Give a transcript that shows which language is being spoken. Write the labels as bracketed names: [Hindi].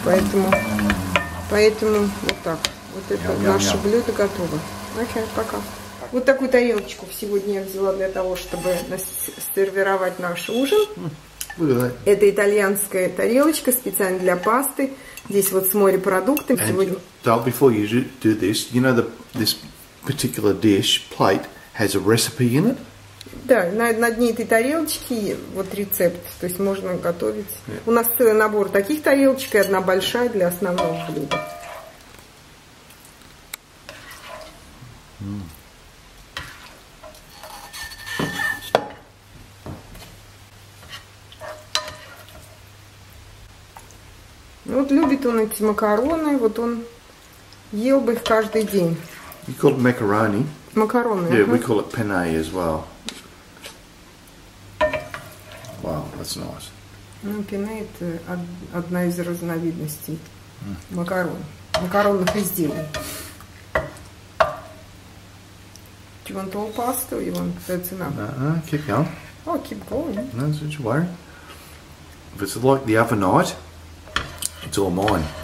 [Russian] Поэтому вот так. Вот это наше блюдо готово. Окей, пока. Вот такую тарелочку сегодня я взяла для того, чтобы сервировать наш ужин. Это итальянская тарелочка специально для пасты. Здесь вот с морепродуктами. Сегодня... [English] Before you do this, you know this particular dish plate has a recipe in it? [Russian] Да, на дне этой тарелочки вот рецепт, то есть можно готовить. [English] Yeah. [Russian] У нас целый набор таких тарелочек и одна большая для основного блюда. Вот любит он эти макароны, вот он ел бы их каждый день. [English] You call it macaroni? [Russian] Макароны. [English] Yeah, we call it penne as well. Wow, that's nice. [Russian] Ну, penne это одна из разновидностей макарон. Макаронных изделий. [English] Do you want all pasta or you want that's enough? Keep going. Oh, keep going. No, don't you worry. If it's like the other night, it's all mine.